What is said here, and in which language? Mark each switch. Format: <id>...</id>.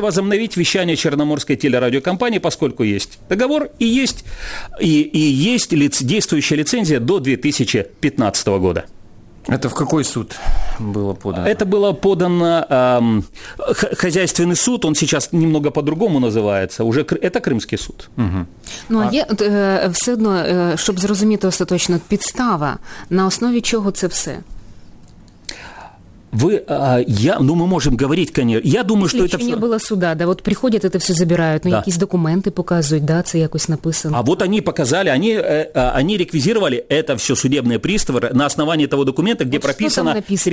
<ru>Возобновить вещание Черноморской телерадиокомпании, поскольку есть договор и есть действующая лицензия до 2015 года. Это в какой суд было подано? Это было подано хозяйственный суд, он сейчас немного по-другому называется, уже это Крымский суд. Угу.</ru> <uk>Ну, а все одно, щоб зрозуміти остаточно, підстава, на основі чого це все?</uk> <ru>Мы можем говорить, конечно. Я думаю, что это не было суда, да, вот приходят, это все забирают, но да. Какие-то документы показывают, да, это как-то написано. А вот они показали, они реквизировали это все судебные приставы на основании того документа, где вот прописано, написано</ru>